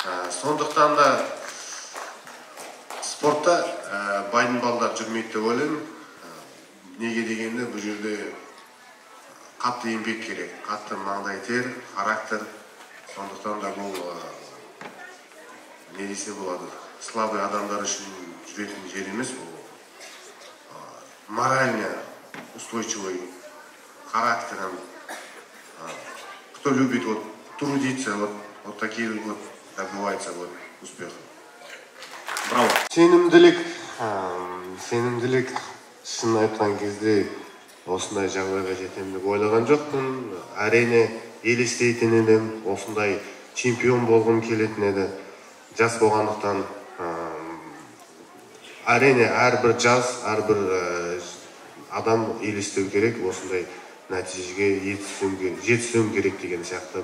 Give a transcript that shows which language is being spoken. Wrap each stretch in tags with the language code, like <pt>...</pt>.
<kk>Сондықтан да спортта байдың балдар жүрмейді деп ойлаймын. Неге дегенде, бұл жерде қатты еңбек керек, қатты маңдай тер, характер. Сондықтан да бұл не десе болады, слабый адамдар үшін жүретін жер емес.</kk> <ru>Бұл моральный, устойчивый характером. Кто любит трудиться, вот такие вот добиваются успеха. Браво!</ru> <kk>Сенімділік, шын айтқан кезде осындай жағдайға жетемін деп ойлаған жоқпын. Әрине елестейтін едім, осындай чемпион болғым келетін еді. Жас болғандықтан әрине әрбір жас, әрбір адам елестеу керек, осындай нәтижеге жетісуім керек деген сияқты.</kk>